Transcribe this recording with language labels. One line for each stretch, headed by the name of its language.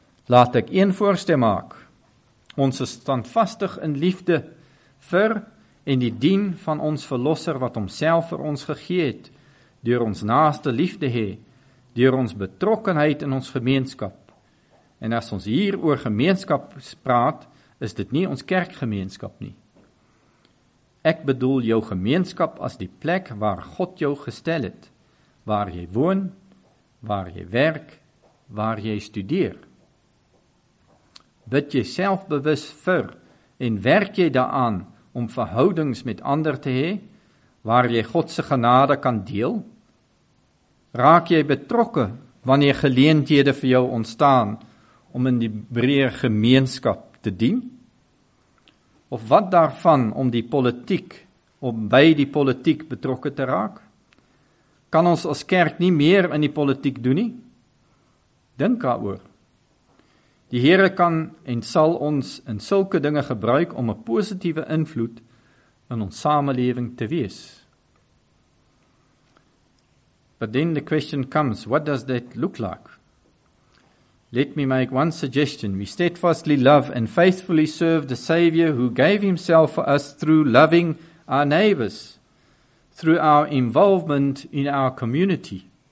Afrikaans: Laat ek een voorstel maak. Ons is standvastig in liefde vir en die dien van ons verlosser wat homself vir ons gegee het, deur ons naaste liefde hê, deur ons betrokkenheid in ons gemeenskap. En as ons hier oor gemeenskap praat, is dit nie ons kerkgemeenskap nie. Ek bedoel jou gemeenskap as die plek waar God jou gestel het, waar jy woon, waar jy werk, waar jy studeer. Bid jy selfbewus vir en werk jy daaraan om verhoudings met ander te hê, waar jy Godse genade kan deel? Raak jy betrokke wanneer geleenthede vir jou ontstaan om in die breër gemeenskap te dien? Of wat daarvan om die politiek, om by die politiek betrokke te raak? Kan ons as kerk nie meer in die politiek doen nie? Dink daaroor. Die Here kan en sal ons in sulke dinge gebruik om 'n positiewe invloed in ons samelewing te wees.
English: But then the question comes, what does that look like? Let me make one suggestion. We steadfastly love and faithfully serve the Savior who gave himself for us through loving our neighbors, through our involvement in our community.